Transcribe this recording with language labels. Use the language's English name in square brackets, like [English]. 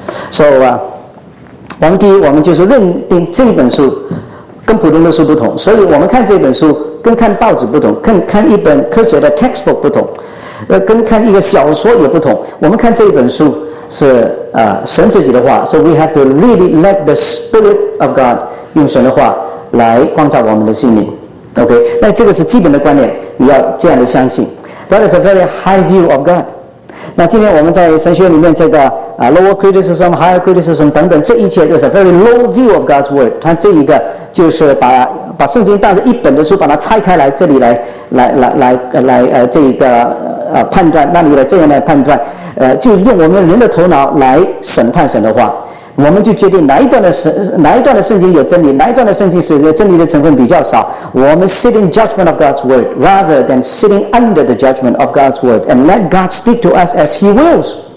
[Chinese] 所以啊，我们第一，我们就是认定这一本书跟普通的书不同，所以我们看这本书跟看报纸不同，跟看一本科学的 textbook 不同。跟看一个小说也不同。我们看这一本书是神自己的话， [English] so we have to really let the spirit of God [Chinese] 用神的话来光照我们的心灵。 OK， 那这个是基本的观念，你要这样的相信。 [English] That is a very high view of God。 [Chinese] 那今天我们在神学里面这个 [English] lower criticism, higher criticism [Chinese] 等等，这一切都是 [English] very low view of God's word。 [Chinese] 它这一个就是把圣经当成一本的书，把它拆开来，这里来这一个判断，那里来这样来判断，就用我们人的头脑来审判神的话，我们就决定哪一段的圣经有真理，哪一段的圣经是有真理的成分比较少。我们 [English] sit in judgment of God's word rather than sitting under the judgment of God's word and let God speak to us as He wills.